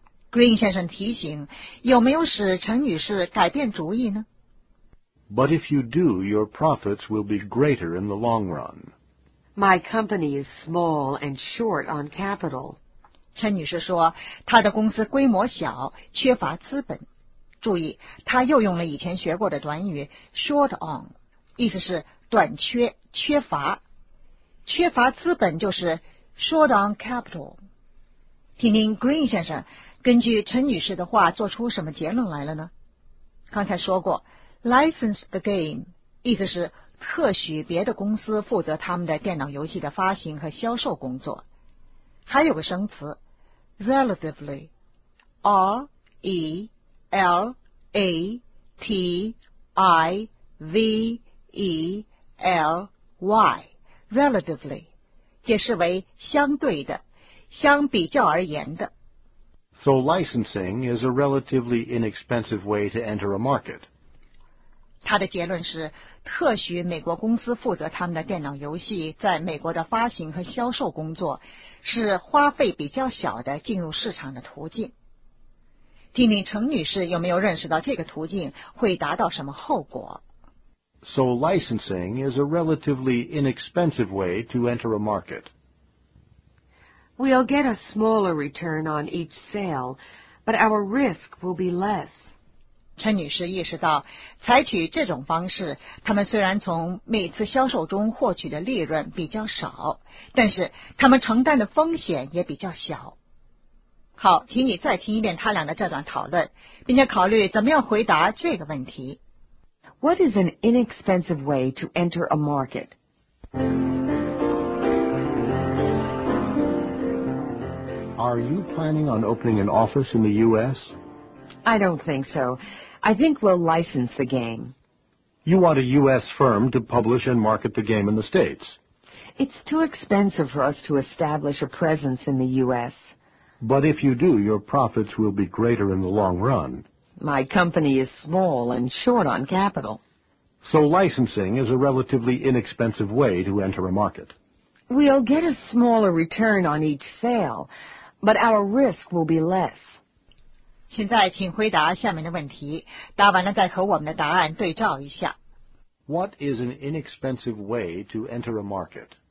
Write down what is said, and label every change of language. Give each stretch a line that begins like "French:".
Chinese: Green 先生提醒，有没有使陈女士改变主意呢？
English: But if you do, your profits will be greater in the long run. My company is small and short on capital.
Chinese: 陈女士说，她的公司规模小，缺乏资本。注意，她又用了以前学过的短语
English: short on，
Chinese: 意思是短缺、缺乏。缺乏资本就是
English: short on capital。
Chinese: 听听 Green 先生根据陈女士的话做出什么结论来了呢？刚才说过 ，
English: license the game，
Chinese: 意思是特许别的公司负责他们的电脑游戏的发行和销售工作。还有个生词 relatively， R E L A T I V E L Y， relatively 解释为相对的，相比较而言的。
English: So licensing is a relatively inexpensive way to enter a market.
Chinese: 他的结论是特许美国公司负责他们的电脑游戏在美国的发行和销售工作是花费比较小的进入市场的途径。听听程女士有没有认识到这个途径会达到什么后果。
English: So licensing is a relatively inexpensive way to enter a market. We'll get a smaller return on each sale, but our risk will be less. 陈女士意识到，采取这种方式，他们虽然从每次销售中获取的利润比较少，但是他们承担的风险也比较小。
Chinese: 好，请你再听一遍他俩的这段讨论，并且考虑怎么样回答这个问题。
English: What is an inexpensive way to enter a market? Are you planning on opening an office in the U.S.? I don't think so. I think we'll license the game. You want a U.S. firm to publish and market the game in the States. It's too expensive for us to establish a presence in the U.S. But if you do, your profits will be greater in the long run. My company is small and short on capital. So licensing is a relatively inexpensive way to enter a market. We'll get a smaller return on each sale, but our risk will be less.
Chinese: 现在请回答下面的问题，答完了再和我们的答案对照一下。
English: What is an inexpensive way to enter a market?